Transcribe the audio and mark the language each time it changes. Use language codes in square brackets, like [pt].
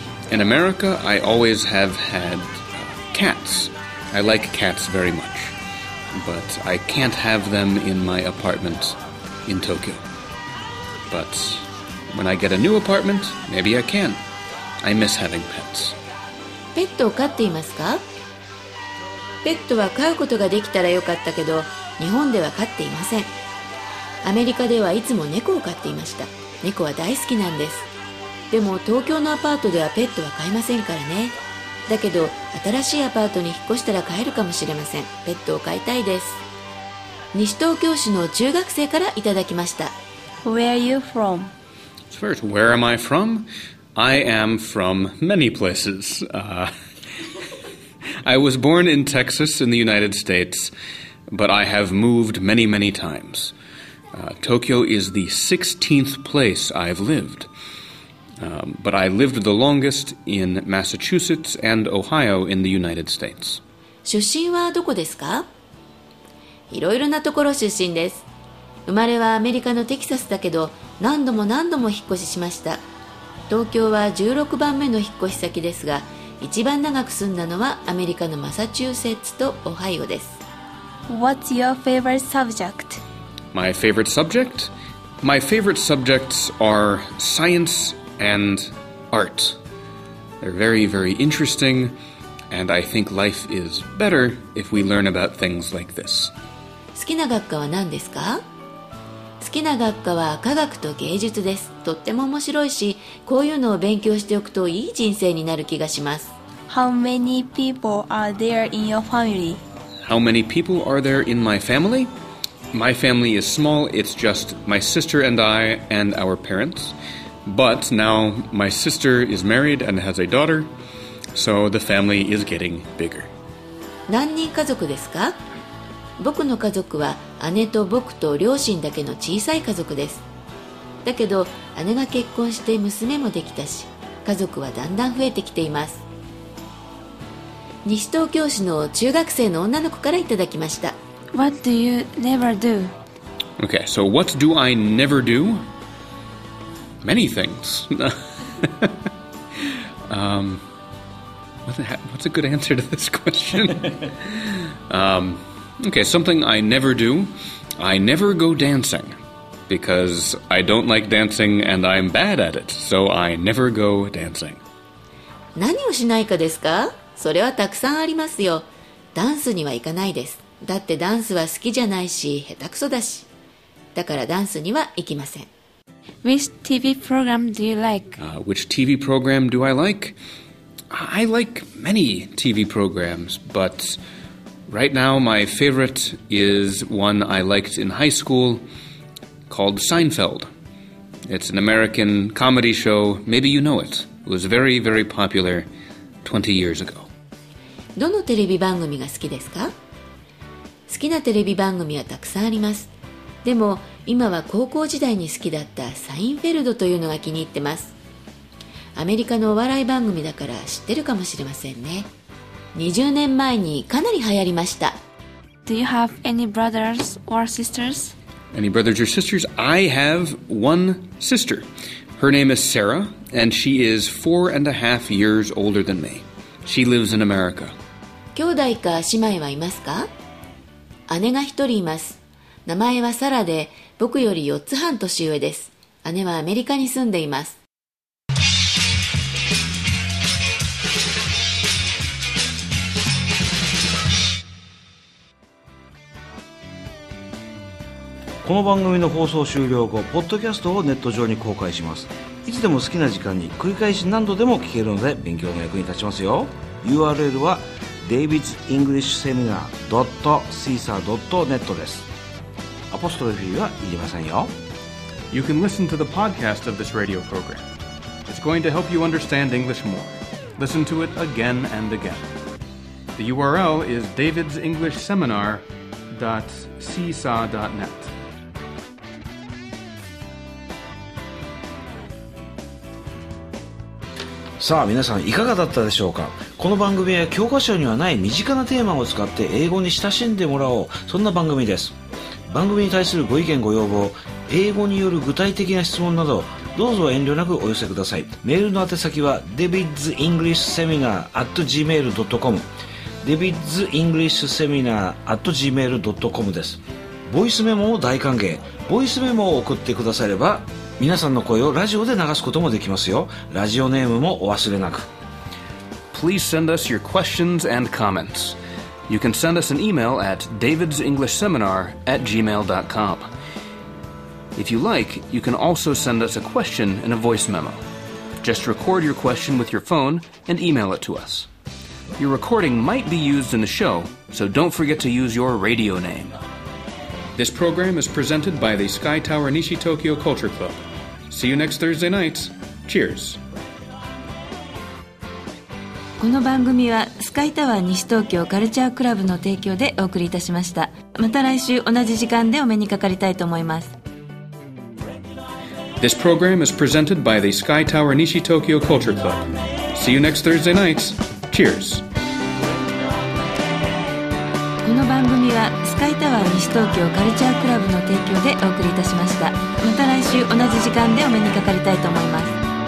[en] In America, I always have had cats. I like cats very much. But I can't have them in my apartment in Tokyo. But when I get a new apartment, maybe I can. I miss having pets. [ja] ペットを飼っていますか？ペットは飼うことができたらよかったけど、日本では飼っていません。アメリカではいつも猫を飼っていました。猫は大好きなんです。でも東京のアパートではペットは飼えませんからね。だけど、新しいアパートに引っ越したら飼えるかもしれません。ペットを飼いたいです。西東京市の中学生からいただきました。 [en] Where are you from? First, where am I from? I am from many places. I was born in Texas in the United States, but I have moved many, many times. Tokyo is the 16th place I've lived. But I lived the longest in Massachusetts and Ohio in the United States. [ja] 出身はどこですか？いろいろなところ出身です。生まれはアメリカのテキサスだけど、何度も何度も引っ越ししました。東京は16番目の引っ越し先ですが、一番長く住んだのはアメリカのマサチューセッツとオハイオです。 [en] What's your favorite subject? My favorite subject? My favorite subjects are science and art. They're very, very interesting, and I think life is better if we learn about things like this. [ja] 好きな学科は何ですか？好きな学科は科学と芸術です。とっても面白いし、こういうのを勉強しておくといい人生になる気がします。 [en] How many people are there in your family? How many people are there in my family? My family is small. It's just my sister and I and our parents. But now my sister is married and has a daughter, so the family is getting bigger. [ja] 何人家族ですか？僕の家族は姉と僕と両親だけの小さい家族です。だけど姉が結婚して娘もできたし、家族はだんだん増えてきています。西東京市の中学生の女の子からいただきました。 [en] What do you never do? Okay, so what do I never do? Many things. what's a good answer to this question? Okay, something I never do. I never go dancing because I don't like dancing and I'm bad at it. So I never go dancing. [ja] 何をしないかですか？それはたくさんありますよ。ダンスには行かないです。だってダンスは好きじゃないし、下手くそだし。だからダンスには行きません。 [en] Which TV program do you like? Which TV program do I like? I like many TV programs, but right now, my favorite is one I liked in high school called Seinfeld. It's an American comedy show. Maybe you know it. It was very, very popular 20 years ago. [ja] どのテレビ番組が好きですか？好きなテレビ番組はたくさんあります。でも、今は高校時代に好きだったサインフェルドというのが気に入ってます。アメリカのお笑い番組だから知ってるかもしれませんね。 20年前にかなり流行りました。 [en] Do you have any brothers or sisters? Any brothers or sisters? I have one sister. Her name is Sarah, and she is 4.5 years older than me. She lives in America. [ja] 兄弟か姉妹はいますか？姉が一人います。名前はサラで、僕より4つ半年上です。姉はアメリカに住んでいます。この番組の放送終了後、ポッドキャストをネット上に公開します。いつでも好きな時間に繰り返し何度でも聞けるので、勉強の役に立ちますよ。 URL は davidsenglishseminar.caesar.net です。アポストロフィーはいりませんよ。 [en] You can listen to the podcast of this radio program. It's going to help you understand English more. Listen to it again and again. The URL is davidsenglishseminar.caesar.net. [ja] さあ、皆さんいかがだったでしょうか。この番組は教科書にはない身近なテーマを使って英語に親しんでもらおう、そんな番組です。番組に対するご意見ご要望、英語による具体的な質問など、どうぞ遠慮なくお寄せください。メールの宛先は davidsenglishseminar@gmail.com davidsenglishseminar@gmail.com です。ボイスメモも大歓迎。ボイスメモを送ってくだされば、皆さんの声をラジオで流すこともできますよ。ラジオネームもお忘れなく。 [en] Please send us your questions and comments. You can send us an email at davidsenglishseminar@gmail.com. If you like, you can also send us a question in a voice memo. Just record your question with your phone and email it to us. Your recording might be used in the show, so don't forget to use your radio name. This program is presented by the Sky Tower Nishi Tokyo Culture Club. See you next Thursday night. Cheers. [ja] この番組はスカイタワー西東京カルチャークラブの提供でお送りいたしました。また来週同じ時間でお目にかかりたいと思います。 [en] This program is presented by the Sky Tower Nishi Tokyo Culture Club. See you next Thursday night. Cheers. [ja] この番組はスカイタワー西東京カルチャークラブの提供でお送りいたしました。また来週同じ時間でお目にかかりたいと思います。